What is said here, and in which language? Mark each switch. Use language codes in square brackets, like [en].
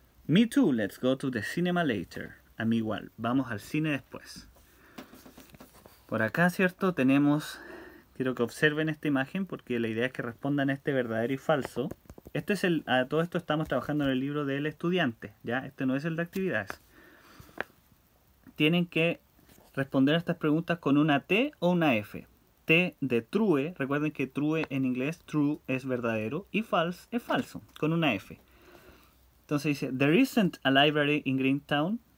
[en] Me too, let's go to the cinema later. [es] A mí igual, vamos al cine después. Por acá, ¿cierto? Tenemos, quiero que observen esta imagen porque la idea es que respondan este verdadero y falso. Este es el, a todo esto estamos trabajando en el libro del estudiante, ¿ya? Este no es el de actividades. Tienen que responder a estas preguntas con una T o una F. T de true, recuerden que true en inglés, true es verdadero y false es falso, con una F. Entonces dice, [en] there isn't a library in Greentown.